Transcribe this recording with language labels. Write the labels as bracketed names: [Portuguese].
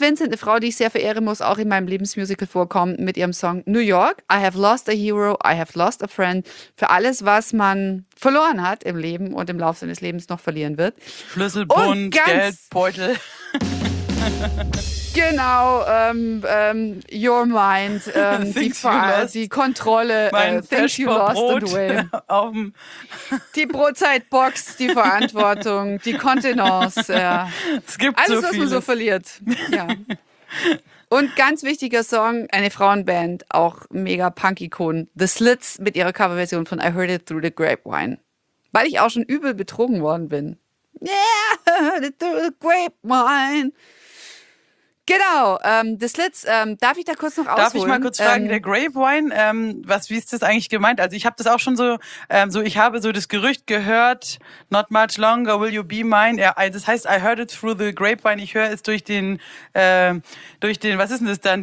[German] Vincent, eine Frau, die ich sehr verehre, muss auch in meinem Lebensmusical vorkommen mit ihrem Song New York. [English] I have lost a hero, I have lost a friend. [German] Für alles, was man verloren hat im Leben und im Laufe seines Lebens noch verlieren wird. Schlüsselbund, Geldbeutel. Genau, [English] your mind, [German] die Kontrolle, [English] things you lost and win. [German] Die Brotzeitbox, die Verantwortung, die Kontenance, es gibt alles, so was man so verliert. Ja. Und ganz wichtiger Song, eine Frauenband, auch mega Punk-Ikon, The Slits mit ihrer Coverversion von I Heard It Through the Grapevine. Weil ich auch schon übel betrogen worden bin. [English] Yeah, I heard it through the grapevine. [German] Genau, The Slits, darf ich da kurz noch ausholen? Darf ich mal kurz fragen, der Grapevine, wie ist das eigentlich gemeint? Also ich habe das auch schon so, ich habe so das Gerücht gehört, [English] not much longer will you be mine. [German] Ja, das heißt, [English] I heard it through the grapevine, [German] ich höre es durch den, was ist denn das dann?